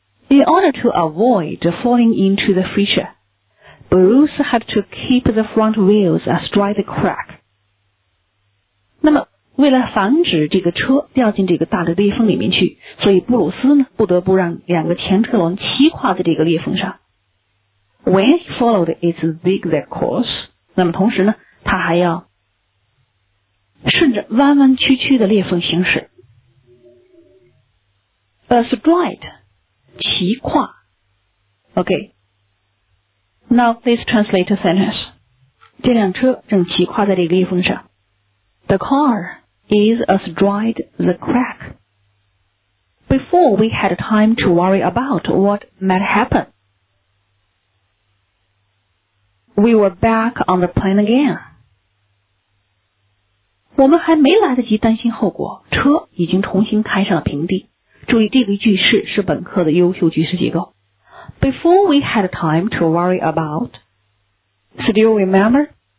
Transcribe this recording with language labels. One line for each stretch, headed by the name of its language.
English: In order to avoid falling into the fissure, Bruce had to keep the front wheels astride the crack.
Chinese: 那么为了防止这个车掉进这个大的裂缝里面去，所以布鲁斯呢不得不让两个前车轮齐跨在这个裂缝上。
English: When he followed its zigzag course,
Chinese: 那么同时呢他还要顺着弯弯曲曲的裂缝行驶。
English: Astride,
Chinese: 骑跨。
English: Okay. Now please translate the sentence.
Chinese: 这辆车正骑跨在这个裂缝上。
English: The car is astride the crack. Before we had time to worry about what might happen, we were back on the plane again.
Chinese: 我们还没来得及担心后果，车已经重新开上了平地。注意这个句式是本课的优秀句式结构。
English: Before we had time to worry about, still remember?